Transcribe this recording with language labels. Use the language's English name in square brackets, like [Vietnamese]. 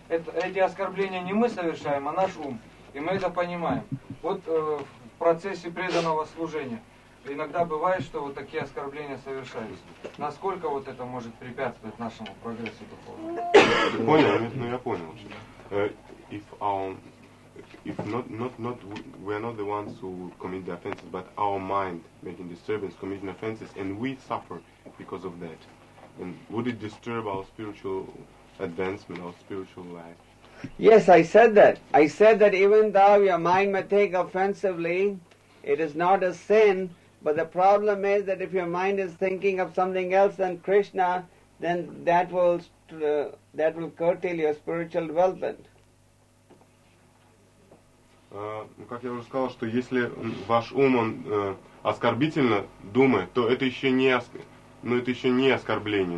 [Russian] Эти оскорбления не мы совершаем, а наш ум. И мы это понимаем. Вот в процессе преданного служения иногда бывает, что вот такие оскорбления совершаются. Насколько вот это может препятствовать нашему прогрессу духовному? Я понял. [English] If not we are not the ones who commit the offenses, but our mind making disturbance, committing offenses, and we suffer because of that, then would it disturb our spiritual advancement, our spiritual life? Yes, I said that. I said that even though your mind may take offensively, it is not a sin. But the problem is that if your mind is thinking of something else than Krishna, then that will curtail your spiritual development. [Russian] Как я уже сказал, что если ваш ум он оскорбительно думает, то это еще не оскорбление.